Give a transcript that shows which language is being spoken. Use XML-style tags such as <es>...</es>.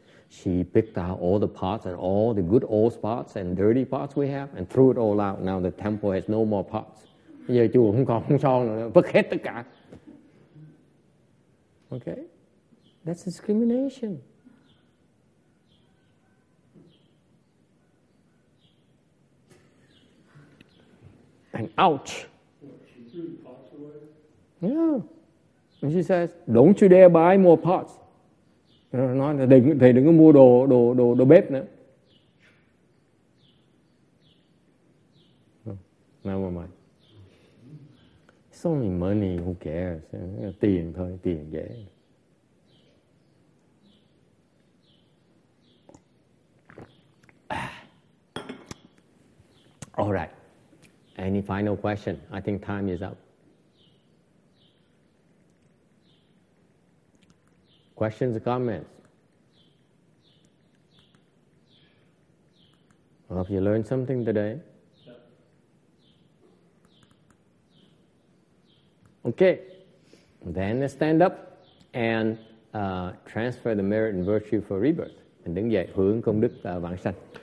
<en>She picked out all the pots and all the good old pots and dirty pots we have and threw it all out. Now the temple has no more pots.</en> <vi>Bây giờ chùa không còn son nữa, vứt hết tất cả.</vi> <en>Okay. That's discrimination. And ouch. Yeah. And she says, don't you dare buy more pots.</en> <vi>Nói là thầy đừng có mua đồ bếp nữa.</vi> <en>Never mind. It's only money, who cares?</en> <vi>Tiền thôi, tiền dễ.</vi> <en>All right. Any final question? I think time is up. Questions or comments? Well, have you learned something today? Okay. Then stand up and transfer the merit and virtue for rebirth.</en> <vi>Mình đứng dậy hướng công đức vãng sanh.</vi>